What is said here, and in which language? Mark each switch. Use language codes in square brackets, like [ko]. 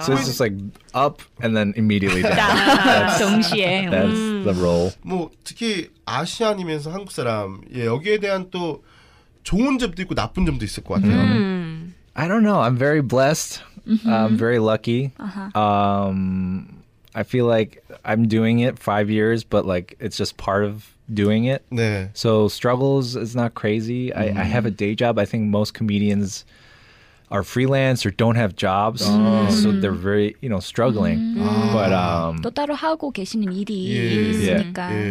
[en] So it's just like up and then immediately down. [ko] 동시에. [en] That's the role. [ko] 뭐 특히 아시안이면서 한국 사람 예, 여기에 대한 또 좋은 점도 있고 나쁜 점도 있을 것 같아요. [en] I don't know. I'm very blessed. Mm-hmm. I'm very lucky. Uh-huh. I feel like I'm doing it 5 years, but like it's just part of doing it. [ko] 네. [en] So struggles is not crazy. Mm-hmm. I have a day job. I think most comedians are freelance or don't have jobs. Mm-hmm. So they're very, you know, struggling. Mm-hmm. But [ko] 또 따로 하고 계시는 일이 있으니까.